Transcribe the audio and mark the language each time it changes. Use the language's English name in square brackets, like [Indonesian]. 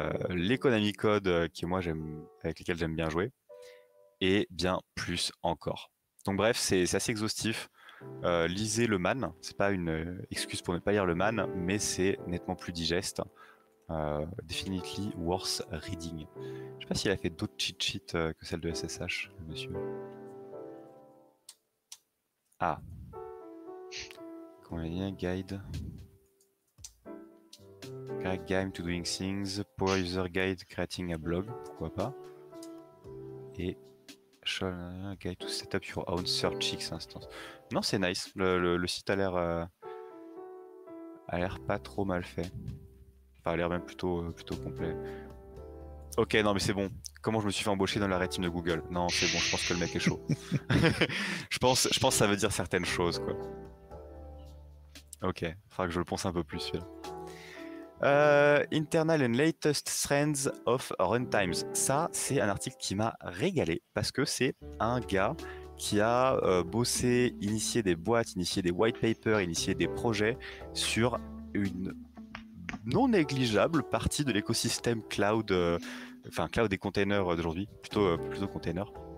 [French] L'Economy Code avec lesquels j'aime bien jouer. Et bien plus encore. Donc bref, c'est assez exhaustif. Lisez le man, c'est pas une excuse pour ne pas lire le man, mais c'est nettement plus digeste. [English] Definitely worth reading. [French] Je sais pas s'il a fait d'autres cheat sheets que celle de SSH, monsieur. [English] Ah. Convenient guide. Crack game to doing things. Power user guide creating a blog. [French] Pourquoi pas. Et [English] show guide to set up your own searchix instance. [French] Non, c'est [English] nice. [French] Le site a l'air pas trop mal fait. Ça a l'air même plutôt complet. Ok, non mais c'est bon. Comment je me suis fait embaucher dans la red team de Google? Non, c'est bon, je pense que le mec est chaud. je pense que ça veut dire certaines choses, quoi. Ok, il faudra que je le pense un peu plus, celui-là. [English] Internal and latest trends of runtimes. [French] Ça, c'est un article qui m'a régalé, parce que c'est un gars qui a bossé, initié des boîtes, initié des white papers, initié des projets sur une non négligeable partie de l'écosystème cloud, enfin cloud des containers d'aujourd'hui, plutôt containers.